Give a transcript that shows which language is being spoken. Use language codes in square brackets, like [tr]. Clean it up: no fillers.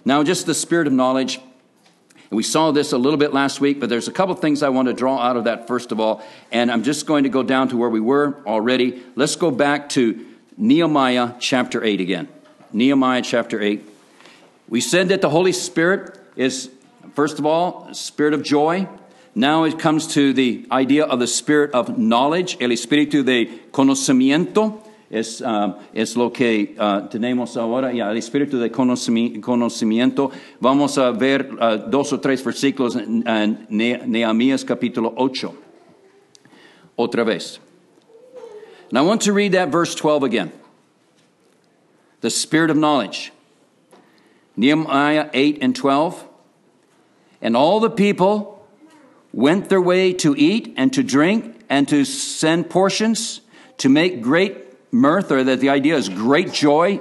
[en] Now, just the spirit of knowledge. We saw this a little bit last week, but there's a couple things I want to draw out of that first of all, and I'm just going to go down to where we were already. Let's go back to Nehemiah chapter 8 again. Nehemiah chapter 8. We said that the Holy Spirit is, first of all, spirit of joy. Now it comes to the idea of the spirit of knowledge. [es] El espíritu de conocimiento es lo que tenemos ahora. Yeah, el espíritu de conocimiento. Vamos a ver dos o tres versículos en Nehemías capítulo 8. Otra vez. [en] And I want to read that verse 12 again. The spirit of knowledge. Nehemiah 8 and 12. And all the people went their way to eat and to drink and to send portions to make great mirth, or that the idea is great joy.